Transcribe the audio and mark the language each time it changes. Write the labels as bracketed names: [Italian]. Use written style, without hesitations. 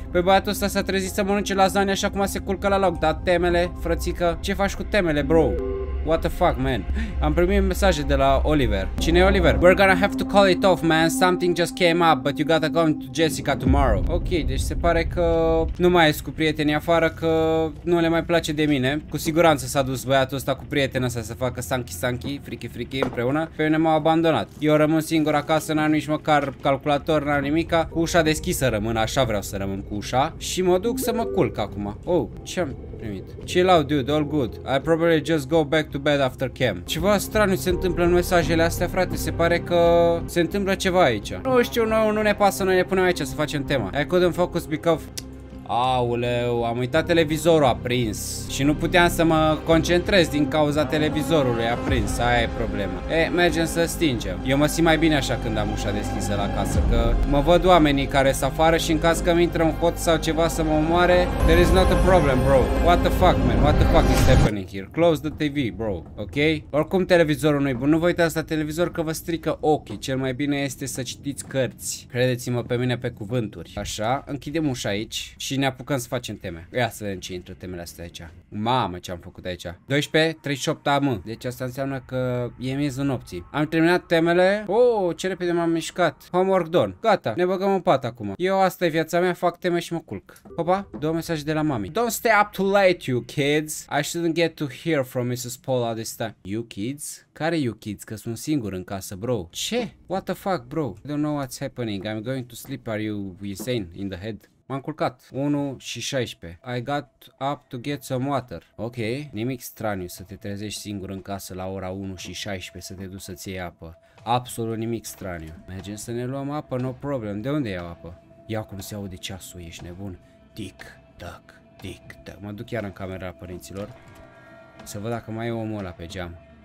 [Romanian] Păi băiatul ăsta s-a trezit să mănânce lasagna așa cum se culcă la loc. Dar temele, frățică, ce faci cu temele, bro? [English] What the fuck, man? [Romanian] Am primit mesaje de la Oliver. Cine e Oliver? [English] We're gonna have to call it off, man. Something just came up, but you gotta go to Jessica tomorrow. [Romanian] Ok, deci se pare că nu mai ești cu prietenii afară, că nu le mai place de mine. Cu siguranță s-a dus băiatul ăsta cu prietena asta să facă sanky sanky, friki friki împreună. Pe mine m-au abandonat. Eu rămân singur acasă, n-am nici măcar calculator, n-am nimica. Cu ușa deschisă rămân, așa vreau să rămân cu ușa. Și mă duc să mă culc acum. Oh, ce-am... primit. [English] Chill out, dude, all good. I probably just go back to bed after cam. [Romanian] Ceva straniu se întâmplă în mesajele astea, frate. Se pare că se întâmplă ceva aici. Nu știu, nu ne pasă, noi ne punem aici să facem tema. [English] I couldn't focus because... [Romanian] Auleu, am uitat televizorul aprins și nu puteam să mă concentrez din cauza televizorului aprins, aia e problema. E, mergem să stingem. Eu mă simt mai bine așa când am ușa deschisă la casă, că mă văd oamenii care sunt afară și în caz că îmi intră un hot sau ceva să mă omoare, [English] there is not a problem, bro. What the fuck, man? What the fuck is happening here? Close the TV, bro. Ok? [Romanian] Oricum televizorul nu-i bun. Nu vă uitați la televizor că vă strică ochii. Cel mai bine este să citiți cărți. Credeți-mă pe mine pe cuvânturi. Așa, închidem ușa aici. Și ne apucăm să facem teme. Ia să vedem ce intră temele astea aici. Mamă, ce am făcut aici. 12:38 am. Deci asta înseamnă că e miezul nopții. Am terminat temele. Oh, ce repede m-am mișcat. [English] Homework done. [Romanian] Gata, ne băgăm în pat acum. Eu, asta e viața mea, fac teme și mă culc. Opa, două mesaje de la mami. [English] Don't stay up too late, you kids. I shouldn't get to hear from Mrs. Paula this time. You kids? Care you kids? [Romanian] Că sunt singur în casă, bro. Ce? [English] What the fuck, bro? I don't know what's happening. I'm going to sleep. Are you insane in the head? [Romanian] M-am culcat. [English] 1 și 16. I got up to get some water. Ok. [Romanian] Nimic straniu să te trezești singur în casă la ora 1 și 16 să te duci să-ți iei apă. Absolut nimic straniu. Mergem să ne luăm apă, [English] no problem. [Romanian] De unde iau apă? Ia cum se aude ceasul, ești nebun. Tic-tac, tic-tac. Mă duc iar în camera părinților să văd dacă mai e omul ăla pe geam.